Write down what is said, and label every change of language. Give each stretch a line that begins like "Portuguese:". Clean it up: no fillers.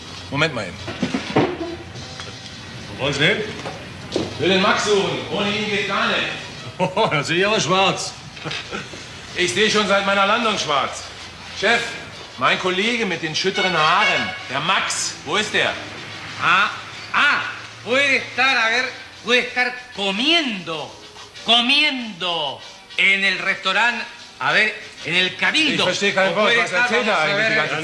German: Moment mal eben. Wo wollen Sie hin? Ich will den Max suchen. Ohne ihn geht gar nicht. Oh, da sehe ich aber schwarz. Ich sehe schon seit meiner Landung schwarz. Chef, mein Kollege mit den schütteren Haaren, der Max, wo ist der?
Spanish: Ah, puede estar, a ver, puede estar comiendo en el restaurante, a ver, en el Cabildo.
German: Ich verstehe kein Wort, was erzählt er eigentlich die ganze Zeit?